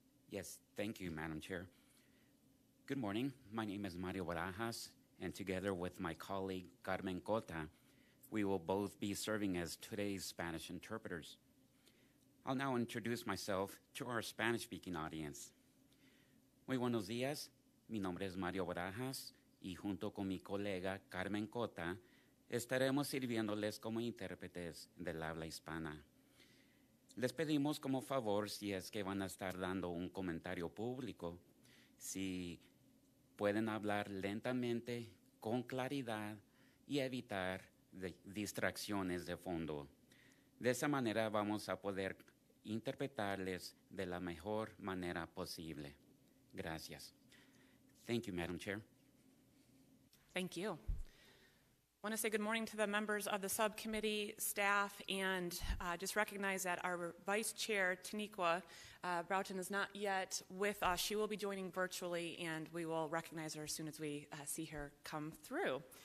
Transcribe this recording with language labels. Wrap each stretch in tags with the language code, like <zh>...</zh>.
<en>Yes, thank you, Madam Chair. Good morning. My name is Mario Barajas, and together with my colleague Carmen Cota, we will both be serving as today's Spanish interpreters. I'll now introduce myself to our Spanish-speaking audience.</en> <es>Muy buenos días. Mi nombre es Mario Barajas, y junto con mi colega Carmen Cota, estaremos sirviéndoles como intérpretes del habla hispana. Les pedimos como favor, si es que van a estar dando un comentario público, si pueden hablar lentamente, con claridad, y evitar distracciones de fondo. De esa manera vamos a poder interpretarles de la mejor manera posible. Gracias.</es> <en>Thank you, Madam Chair. Thank you. I want to say good morning to the members of the subcommittee, staff, and just recognize that our Vice Chair, Taniqua Broughton, is not yet with us. She will be joining virtually, and we will recognize her as soon as we see her come through.</en>